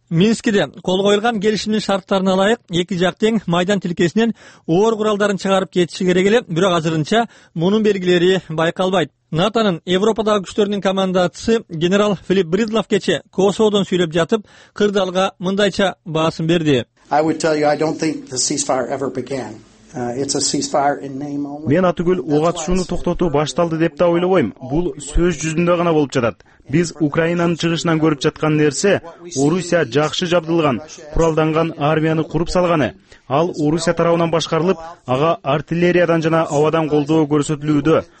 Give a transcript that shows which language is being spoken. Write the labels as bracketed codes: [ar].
[ky] Минскиде кол коюлган келишимдин шарттарына ылайык эки жак тең майдан тилкесинен оор куралдарын чыгарып кетиши керек эле, бирок азырынча мунун белгилери байкалбайт. НАТОнун Европадагы күчтөрүнүн командачысы генерал Филипп Бридлов кече Косоводон сүйлөп жатып, кырдаалга мындайча баасын берди. [en] I would tell you I don't think the ceasefire ever began. It's a ceasefire in name only. [ky] Мен атүгүл ок атышууну токтотуу башталды деп да ойлобойм. Бул сөз жүзүндө гана болуп жатат. Биз Украинанын чыгышынан көрүп жаткан нерсе Орусия жакшы жабдылган, куралданган армияны куруп салганы. Ал Орусия тарабынан башкарылып, ага артиллериядан жана абадан колдоо көрсөтүлүүдө.